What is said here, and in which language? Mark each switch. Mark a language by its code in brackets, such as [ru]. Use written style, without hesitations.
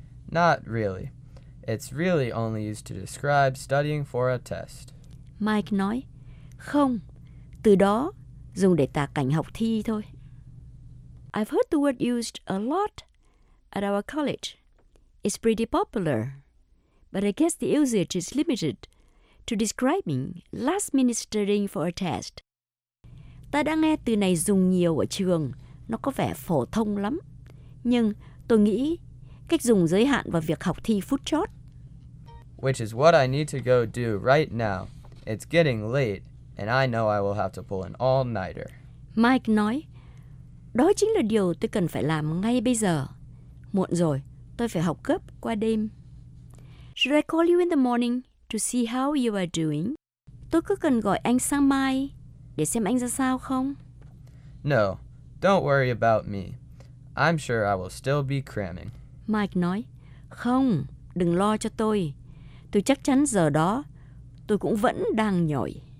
[en] Not really. It's really only used to describe studying for a test. [vi] Mike nói, không, từ đó dùng để tả cảnh học thi thôi. [en] I've heard the word used a lot at our college. It's pretty popular. But I guess the usage is limited to describing last-minute studying for a test. [vi] Ta đã nghe từ này dùng nhiều ở trường, nó có vẻ phổ thông lắm. Nhưng tôi nghĩ cách dùng giới hạn vào việc học thi phút chót. [en] Which is what I need to go do right now. It's getting late and I know I will have to pull an all-nighter. [vi] Mike nói, đó chính là điều tôi cần phải làm ngay bây giờ. Muộn rồi, tôi phải học gấp qua đêm. [en] Should I call you in the morning to see how you are doing? [vi] Tôi cứ cần gọi anh sáng mai để xem anh ra sao không? [en] No, don't worry about me. I'm sure I will still be cramming. [vi] Mike nói, không, đừng lo cho tôi. Tôi chắc chắn giờ đó, tôi cũng vẫn đang nhồi.